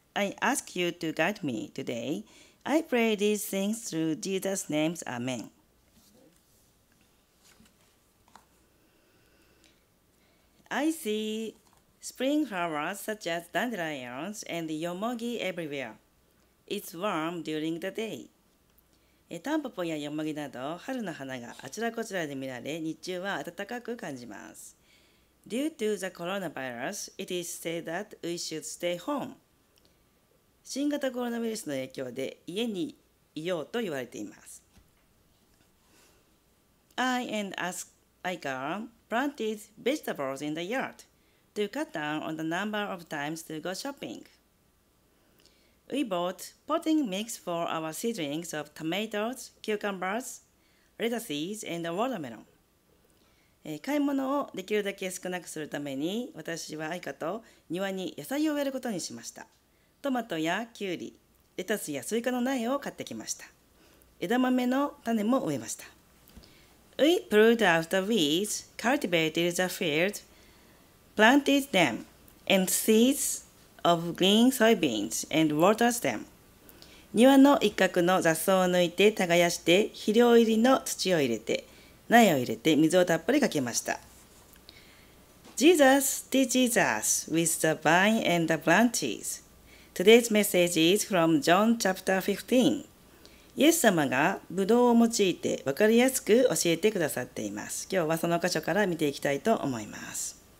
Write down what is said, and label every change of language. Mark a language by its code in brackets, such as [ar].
[en] I ask you to guide me today. I pray these things through Jesus' name. Amen. I see spring flowers such as dandelions and yomogi everywhere. It's warm during the day. [ja] タンポポやヨモギなど春の花があちらこちらで見られ、日中は暖かく感じます。 [en] Due to the coronavirus, it is said that we should stay home. [ja] 新型コロナウイルスの影響で家にいようと言われています。 [en] I and Asuka planted vegetables in the yard to cut down on the number of times to go shopping. We bought potting mix for our seedlings of tomatoes, cucumbers, lettuces, and watermelon. [ja] 買い物をできるだけ少なくするために、私は愛花と庭に野菜を植えることにしました。トマトやキュウリ、レタスやスイカの苗を買ってきました。枝豆の種も植えました。 [en] We pulled out the weeds, cultivated the field, planted them, and seeds. Of green soybeans and water them. [ja] 庭の一角の雑草を抜いて耕して肥料入りの土を入れて苗を入れて水をたっぷりかけました。 [en] Jesus teaches us with the vine and the branches. Today's message is from John chapter 15. [ja] イエス様がブドウを用いて分かりやすく教えてくださっています。今日はその箇所から見ていきたいと思います。